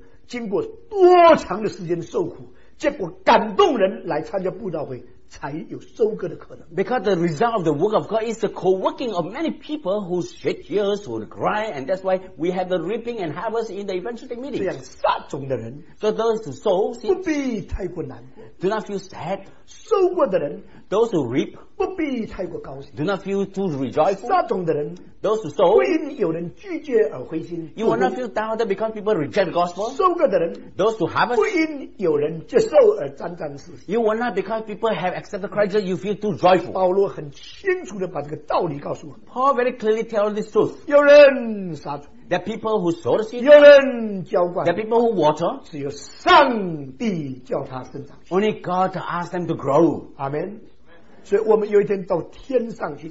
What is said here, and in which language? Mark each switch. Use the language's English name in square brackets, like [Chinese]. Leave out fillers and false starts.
[Chinese] 经过多长的时间受苦, 结果感动人来参加布道会, 才有收割的可能, [English] because the result of the work of God is the co-working of many people who shed tears, who cry, and that's why we have the reaping and harvest in the evangelistic meeting. [Chinese] 这样撒种的人, [English] so those who sow, [Chinese] 不必太过难过, [English] do not feel sad. [Chinese] 收获的人, [English] those who reap, [Chinese] 不必太过高兴, [English] do not feel too rejoiceful. [Chinese] 撒种的人, [English] those who sow, [Chinese] 不因有人拒绝而灰心, [English] you will not feel doubted because people reject the gospel. [Chinese] 收获的人, [English] those who harvest, [Chinese] 不因有人接受而沾沾自喜, [English] you will not, because people have accept the Christ, you feel too joyful. [Chinese] 保罗很清楚地把这个道理告诉我们, [English] Paul very clearly tells this truth. [Chinese] 有人撒种, [English] the people who sow the seed, [Chinese] 有人浇灌, [English] the people who water, [Chinese] 只有上帝叫他生长, [English] only God to ask them to grow. Amen. [Chinese] 所以我们有一天到天上去,